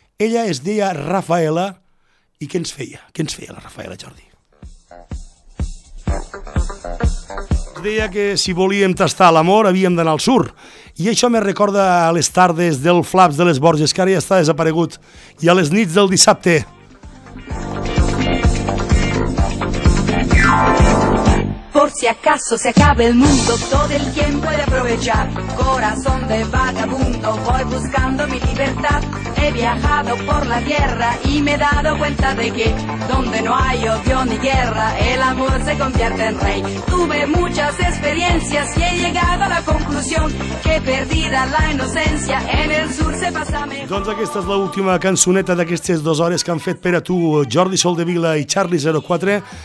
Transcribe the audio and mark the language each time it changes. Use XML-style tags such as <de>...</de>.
<ca>Ella es deia Rafaela. I què ens feia? Què ens feia la Rafaela, Jordi? Es deia que si volíem tastar l'amor havíem d'anar al sur. I això me recorda a les tardes del Flaps de les Borges, que ara ja està desaparegut, i a les nits del dissabte.</ca> <es>Por si acaso se acabe el mundo, todo el tiempo he de aprovechar. Corazón de vagabundo, voy buscando mi libertad. He viajado por la tierra y me he dado cuenta de que donde no hay odio ni guerra, el amor se convierte en rey. Tuve muchas experiencias y he llegado a la conclusión que perdida la inocencia, en el sur se pasa mejor.</es> <ca>Doncs aquesta és l'última cançoneta d'aquestes dues hores que han fet per a tu Jordi Soldevila i Charlie 04.</ca>